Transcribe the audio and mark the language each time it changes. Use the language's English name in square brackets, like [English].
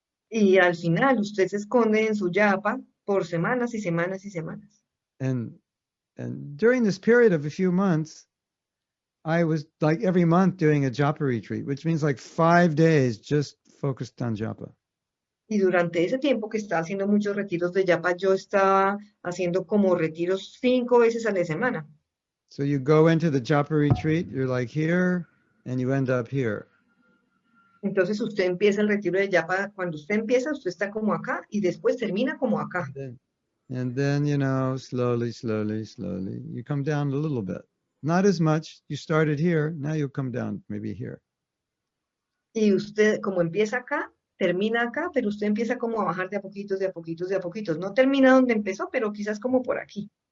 [Spanish] Y al final, usted se esconde en su japa por semanas y semanas y semanas. [English] And during this period of a few months, I was like every month doing a japa retreat, which means like 5 days just focused on japa. [Spanish] Y durante ese tiempo que estaba haciendo muchos retiros de japa, yo estaba haciendo como retiros 5 veces a la semana. [English] So you go into the japa retreat, you're like here, and you end up here. [Spanish] Entonces usted empieza el retiro de japa, cuando usted empieza, usted está como acá, y después termina como acá. [English] And then, you know, slowly, slowly, slowly, you come down a little bit. Not as much, you started here, now you'll come down maybe here. [Spanish] Y usted, como empieza acá, termina acá, pero usted empieza como a bajar de a poquitos, de a poquitos, de a poquitos. No termina donde empezó, pero quizás como por aquí.